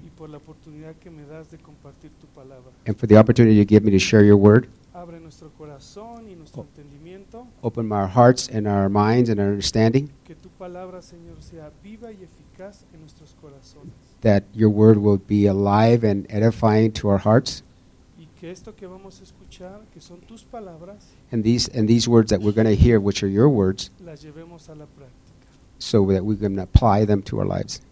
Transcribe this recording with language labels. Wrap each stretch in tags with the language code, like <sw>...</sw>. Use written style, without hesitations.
<es>y por la oportunidad que me das de compartir tu palabra.</es> <en>And for the opportunity you give me to share your word.</en> <es>Abre nuestro corazón y nuestro entendimiento.</es> <en>Open our hearts and our minds and our understanding.</en> <es>Que tu palabra, Señor, sea viva y eficaz en nuestros corazones.</es> <en>That your word will be alive and edifying to our hearts.</en> <es>Y que esto que vamos a escuchar, que son tus palabras,</es> <en>and these words that we're going to hear, which are your words,</en> <es>las llevemos a la práctica.</es> <en>So that we can apply them to our lives.</en>